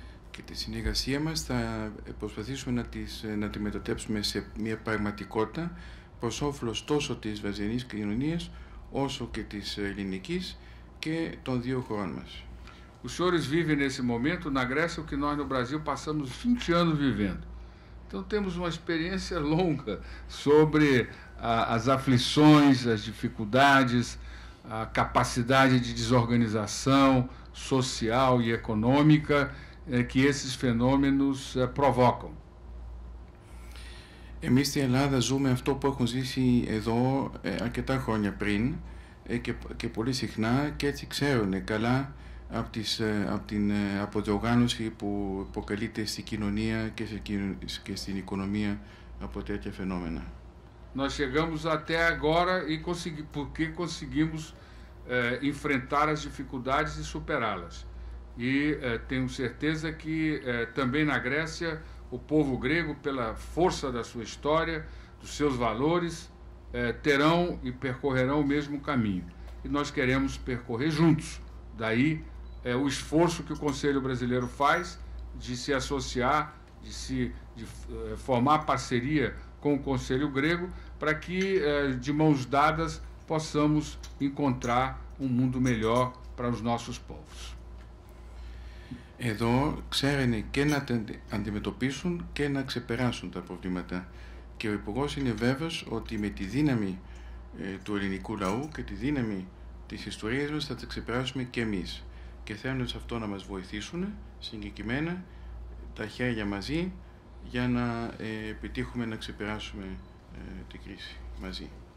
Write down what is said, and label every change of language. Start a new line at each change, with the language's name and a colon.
Greek: Και τη συνεργασία μας θα προσπαθήσουμε να τη μετατρέψουμε σε μια πραγματικότητα προς όφελος τόσο της βραζιλιανής κοινωνίας όσο και της ελληνικής και των δύο χωρών μας.
Portuguese: Os senhores vivem nesse momento na Grécia o que nós no Brasil passamos 20 anos vivendo. Então temos uma experiência longa sobre as aflições, as dificuldades, a capacidade de desorganização social e econômica que esses fenômenos provocam.
Greek: Εμείς στην Ελλάδα ζούμε αυτό που έχουν ζήσει εδώ αρκετά χρόνια πριν και πολύ συχνά και έτσι ξέρουν καλά από την αποδιοργάνωση που προκαλείται στην κοινωνία και στην οικονομία από τέτοια φαινόμενα.
Portuguese: Nós chegamos até agora e porque conseguimos enfrentar as dificuldades e superá-las. E tenho certeza que também na Grécia, o povo grego, pela força da sua história, dos seus valores, terão e percorrerão o mesmo caminho. E nós queremos percorrer juntos. Daí o esforço que o Conselho Brasileiro faz de se associar, de formar parceria com o Conselho Grego, para que de mãos dadas possamos encontrar um mundo melhor para os nossos povos.
Greek: Εδώ ξέρουν και να αντιμετωπίσουν και να ξεπεράσουν τα προβλήματα. Και ο Υπουργός είναι βέβαιος ότι με τη δύναμη του ελληνικού λαού και τη δύναμη της ιστορίας μας θα τα ξεπεράσουμε και εμείς. Και θέλουν σε αυτό να μας βοηθήσουν συγκεκριμένα τα χέρια μαζί για να επιτύχουμε να ξεπεράσουμε την κρίση μαζί.